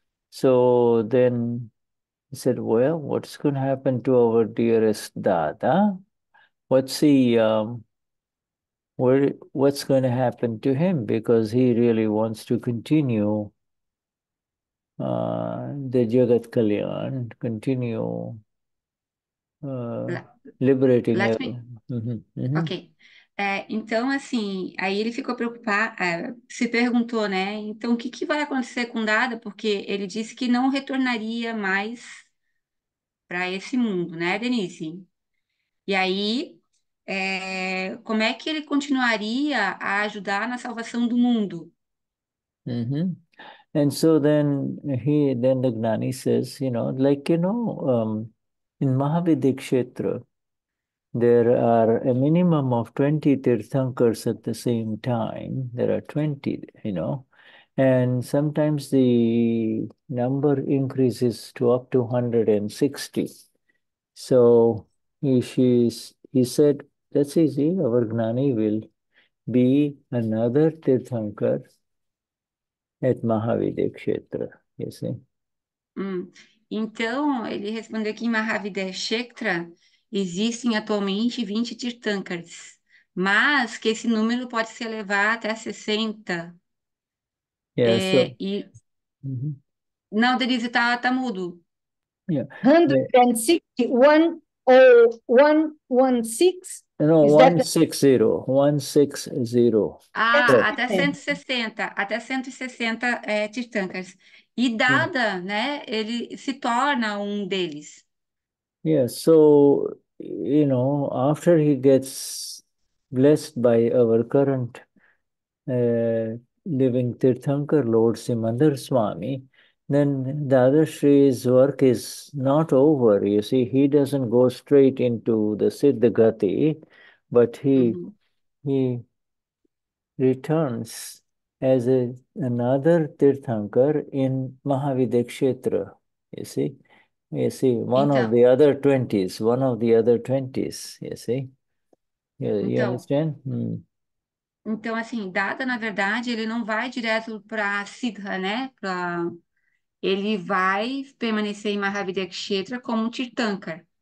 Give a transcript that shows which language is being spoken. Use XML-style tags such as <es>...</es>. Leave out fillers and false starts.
<en>So then he said, well, what's going to happen to our dearest Dada? What's he, where, what's going to happen to him? Because he really wants to continue the Jagat Kalyan, continue. Liberating Let me. everyone. Ok.</en> <pt>Então, assim, aí ele ficou preocupado, se perguntou, né? Então, o que que vai acontecer com Dada? Porque ele disse que não retornaria mais para esse mundo, né, Denise? E aí, como é que ele continuaria a ajudar na salvação do mundo?</pt> <en>And so then the Gnani says, in Mahavidikshetra, there are a minimum of 20 Tirthankars at the same time. There are 20, and sometimes the number increases to up to 160. So he said, that's easy. Our Gnani will be another Tirthankar at Mahavidikshetra, you see.</en> <pt>Então, ele respondeu que em Mahavidikshetra existem atualmente 20 Tirthankars, mas que esse número pode se elevar até 60.</pt> <en>Yeah, so.</en> <pt>Não, Denise, tá mudo.</pt> <en>Yeah. 160, 1 0 1 1 6, No, is that 160. 160.</en> <pt>Ah, até 160, Tirthankars. E Dada, né, ele se torna um deles.</pt> <en>Yeah, so, after he gets blessed by our current living Tirthankar Lord Simandhar Swami, then Dadashri's work is not over. You see, he doesn't go straight into the Siddha Gati, but he returns as another Tirthankar in Mahavidikshetra. You see, one of the other 20s, one of the other 20s. You see, you understand?</en> <pt>Então, assim, Dada, na verdade, ele não vai direto para Siddha, né? Ele vai permanecer em Mahavidikshetra como um Tirthankar.</pt>